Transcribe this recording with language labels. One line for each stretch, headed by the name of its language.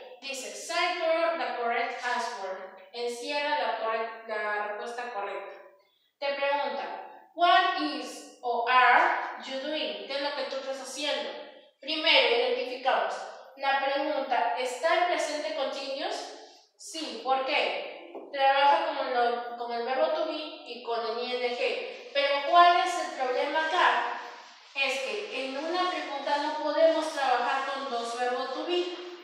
Spanish: Dice,
English: cipher the correct answer.
Spanish: Encierra la respuesta correcta. Te pregunta,
English: what is o are you doing?
Spanish: ¿Qué es lo que tú estás haciendo? Primero, identificamos. La pregunta, ¿está en presente continuous? Sí. ¿Por qué? Trabaja con el verbo to be y con el ing. Pero ¿cuál es el problema acá? Es que en una pregunta no podemos trabajar con dos verbos to be.